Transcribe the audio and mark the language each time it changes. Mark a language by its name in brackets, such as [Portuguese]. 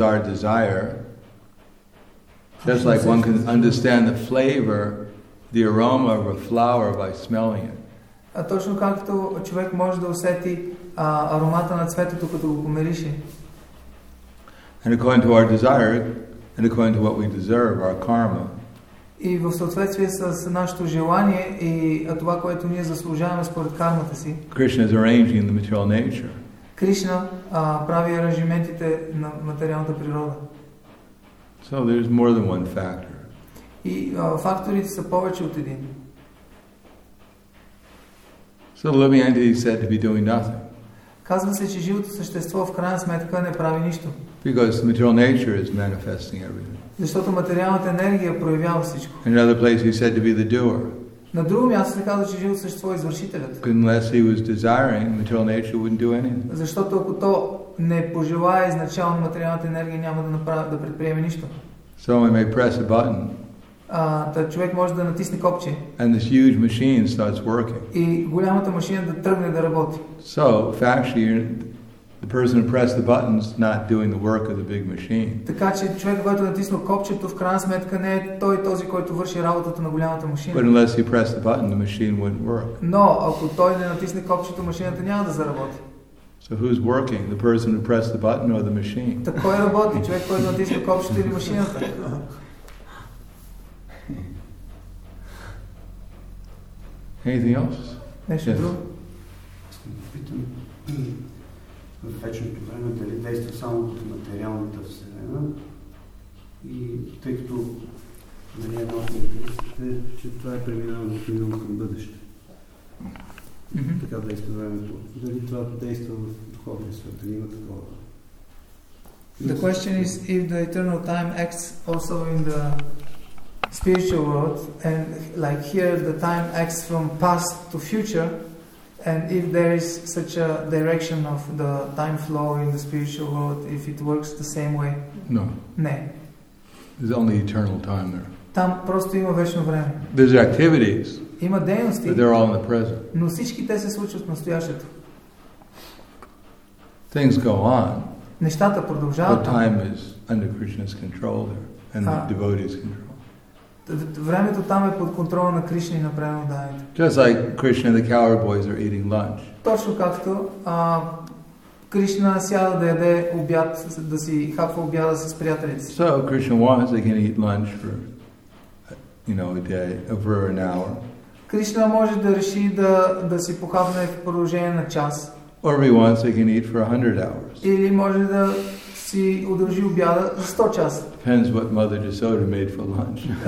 [English] our desire just like one can understand the flavor, the aroma of a flower by smelling it. [Bulgarian] Точно както човек може да усети аромата на цветето като го помирише. [English] And according to our desire, and according to what we deserve, our karma. [Bulgarian] И в съответствие с нашето желание и това, което ние заслужаваме според кармата си. [English] Krishna is arranging the material nature. [Bulgarian] Кришна прави аранжиментите на материалната природа. [English] So there's more than one factor. [Bulgarian] И факторите са повече от един. [English] So the living entity is said to be doing nothing. [Bulgarian] Казва се, че живото същество в крайна сметка не прави нищо. [English] Because the material nature is manifesting everything. [Bulgarian] Защото материалната енергия проявява всичко. [English] In another place he said to be the doer. [Bulgarian] На друго място се казва, че живото същество е извършителят. [English] Unless he was desiring, material nature wouldn't do anything. [Bulgarian] Защото ако то не пожелае изначално материалната енергия няма да направи, да предприеме нищо. [English] So he may press a button. [Bulgarian] Човек може да натисне копче. [English] And this huge machine starts working. [Bulgarian] И голямата машина да тръгне да работи. [English] So, factually, the person who pressed the button's not doing the work of the big machine. [Bulgarian] Така че човек, който натисне копчето, в крайна сметка не е той този, който върши работата на голямата машина. [English] But unless he pressed the button, the machine wouldn't work. [Bulgarian] Но ако той не натисне копчето, машината няма да заработи. [English] So who's working? The person who pressed the button or the machine? [Bulgarian] Та кой работи? Човек, който натисне копчето или машината? [English] Anything else? [Bulgarian] Нещо друго? Аз ме попитам в вечното време дали действа само от материалната вселена и тъй като нали е много интересите, че това е преминаване от минало към бъдеще. Така действа времето. Дали това действа в духовния свят? Дали има такова? [English] The question is if the eternal time acts also in the spiritual world, and like here the time acts from past to future, and if there is such a direction of the time flow in the spiritual world, if it works the same way? No. [Bulgarian] Не. [English] There's only eternal time there. [Bulgarian] Там просто има вечно време. [English] There's activities. [Bulgarian] Има дейности. [English] But they're all in the present. [Bulgarian] Но всички те се случват в настоящето. [English] Things go on. [Bulgarian] Нещата продължават. [English] But time is under Krishna's control there, and the devotee's control. [Bulgarian] Времето там е под контрола на Кришна и на преданите. [English] Just like Krishna and the cowboys are eating lunch. [Bulgarian] Точно както Кришна сяда да яде обяд, да си хапва обяда с приятелите си. [English] So Krishna wants they can eat lunch for, you know, a day, over an hour. [Bulgarian] Кришна може да реши да си похапне в продължение на час. [English] Or if he wants they can eat for 100 hours. [Bulgarian] Или може да си удължи обяда за 100 часа. [English] Depends what Mother Jasoda made for lunch.